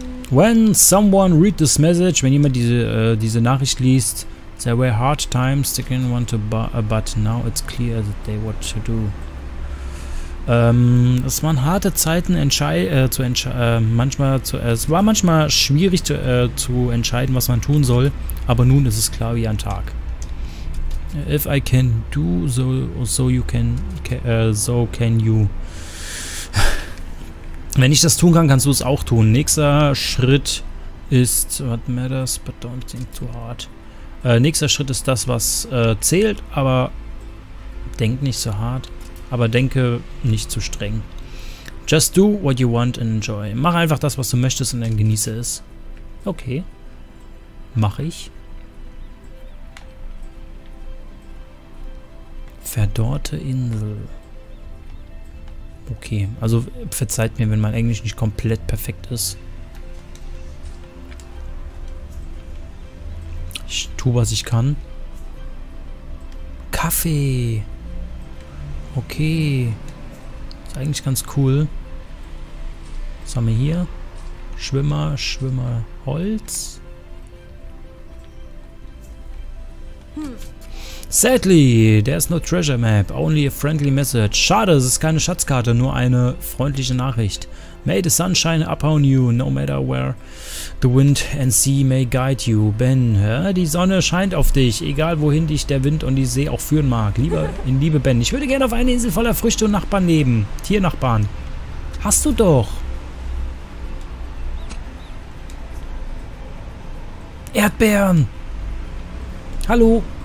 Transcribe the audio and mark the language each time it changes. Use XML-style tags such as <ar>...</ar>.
<en>When someone read this message,</en> <de>wenn jemand diese Nachricht liest,</de> <en>there were hard times, they didn't want to but now it's clear that they what to do.</en> <de>Es waren harte Zeiten, es war manchmal schwierig zu entscheiden, was man tun soll, aber nun ist es klar wie ein Tag.</de> <en>If I can do so, so can you.</en> <de>Wenn ich das tun kann, kannst du es auch tun. Nächster Schritt ist,</de> <en>what matters, but don't think too hard.</en> <de>Nächster Schritt ist das, was zählt, aber denk nicht so hart. Aber denke nicht zu streng.</de> <en>Just do what you want and enjoy.</en> <de>Mach einfach das, was du möchtest und dann genieße es. Okay. Mach ich. Verdorrte Insel. Okay, also verzeiht mir, wenn mein Englisch nicht komplett perfekt ist. Ich tue, was ich kann. Kaffee. Okay. Ist eigentlich ganz cool. Was haben wir hier? Schwimmer, Holz.</de> <en>Sadly, there's no treasure map, only a friendly message.</en> <de>Schade, es ist keine Schatzkarte, nur eine freundliche Nachricht.</de> <en>May the sunshine upon you, no matter where the wind and sea may guide you.</en> <de>Ben, ja, die Sonne scheint auf dich, egal wohin dich der Wind und die See auch führen mag. Liebe Ben, ich würde gerne auf eine Insel voller Früchte und Nachbarn leben. Tiernachbarn. Hast du doch. Erdbeeren. Hallo.</de>